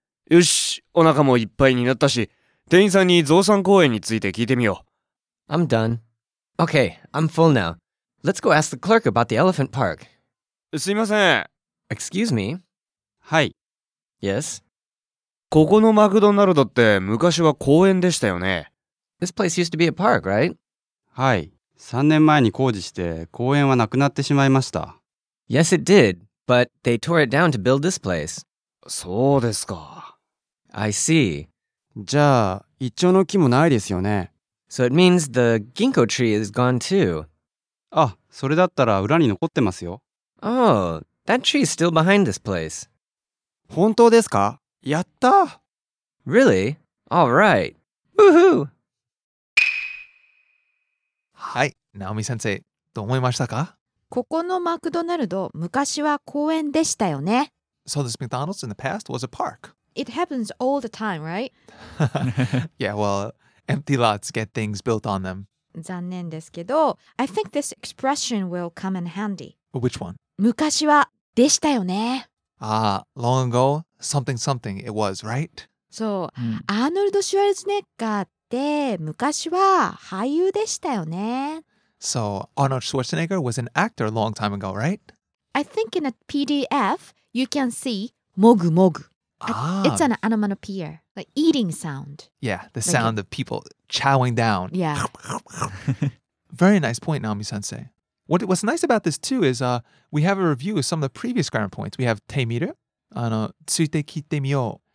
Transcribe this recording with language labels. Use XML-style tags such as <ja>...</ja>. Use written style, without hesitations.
<ja>よし、お腹もいっぱいになったし、店員さんに増産公園について聞いてみよう。</ja> <en>I'm done. Okay, I'm full now. Let's go ask the clerk about the elephant park.</en> <ja>すいません。</ja> <en>Excuse me?</en> <ja>はい。</ja> <en>Yes?</en> <ja>ここのマクドナルドって昔は公園でしたよね。</ja> <en>This place used to be a park, right?</en> <ja>はい。 3年前に工事して公園はなくなってしまいました。</ja> <en>Yes, it did. But they tore it down to build this place.</en> <ja>そうですか。</ja> <en>I see.</en> <ja>じゃあ、イチョウの木もないですよね。</ja> <en>So it means the ginkgo tree is gone too.</en> <ja>あ、それだったら裏に残ってますよ。</ja> <en>Oh, that tree is still behind this place.</en> <ja>本当ですか？やった！</ja> <en>Really? All right. Woohoo!</en> <ja>はい、ナオミ先生、どう思いましたか？ここのマクドナルド、昔は公園でしたよね。</ja> <en>So this McDonald's in the past was a park. It happens all the time, right? Yeah, well, empty lots get things built on them.</en> <ja>残念ですけど、</ja> <en>I think this expression will come in handy. Which one?</en> <ja>昔はでしたよね。</ja> <en>Ah, long ago, something something it was, right?</en> <ja>そう、アーノルド・シュワルツネッガーってて昔は俳優でしたよね。</ja> <en>So Arnold Schwarzenegger was an actor a long time ago, right? I think in a PDF, you can see mogu mogu. It's an onomatopoeia, like eating sound. Yeah, the sound of people chowing down. Yeah. Very nice point, Naomi-sensei. What's nice about this too is we have a review of some of the previous grammar points. We have te miru, tsuite kitte miyo.</en>